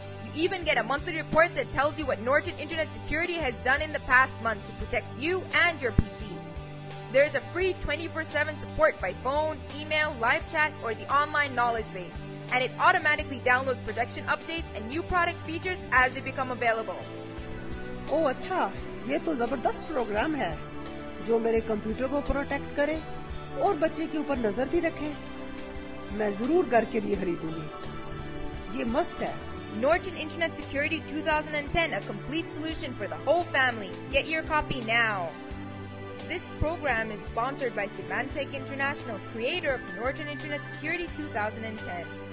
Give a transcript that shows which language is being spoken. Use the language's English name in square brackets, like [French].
[English] You even get a monthly report that tells you what Norton Internet Security has done in the past month to protect you and your PC. There is a free 24/7 support by phone, email, live chat, or the online knowledge base. And it automatically downloads protection updates and new product features as they become available. [Hindi] Oh, acha. ये तो जबरदस्त programme है जो मेरे computer को protect करे और बच्चे के ऊपर नजर भी रखे. मैं जरूर घर के लिए खरीदूंगी. ये मस्ट है. [English] Norton Internet Security 2010, a complete solution for the whole family. Get your copy now. This program is sponsored by Symantec International, creator of Norton Internet Security 2010.